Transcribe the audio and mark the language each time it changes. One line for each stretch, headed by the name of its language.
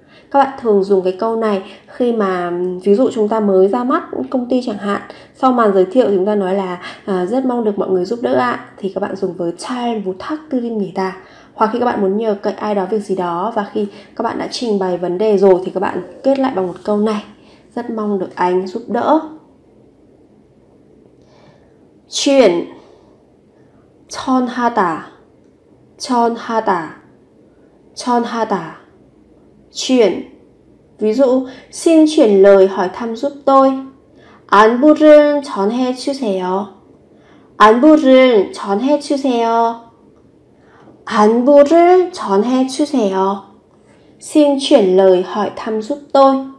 Vietnamese: Các bạn thường dùng cái câu này khi mà ví dụ chúng ta mới ra mắt công ty chẳng hạn, sau màn giới thiệu chúng ta nói là rất mong được mọi người giúp đỡ ạ, thì các bạn dùng với
Korean: 잘 부탁드립니다.
Vietnamese: Hoặc khi các bạn muốn nhờ cậy ai đó việc gì đó, và khi các bạn đã trình bày vấn đề rồi thì các bạn kết lại bằng một câu này: rất mong được anh giúp đỡ.
Korean: Chuyển, 전하다, 전하다, 전하다, chuyển.
Vietnamese: Ví dụ, xin chuyển lời hỏi thăm giúp tôi,
Korean: 안부를 전해 주세요, 안부를 전해 주세요,
Vietnamese: 안부를 전해 주세요, xin chuyển lời hỏi thăm giúp tôi.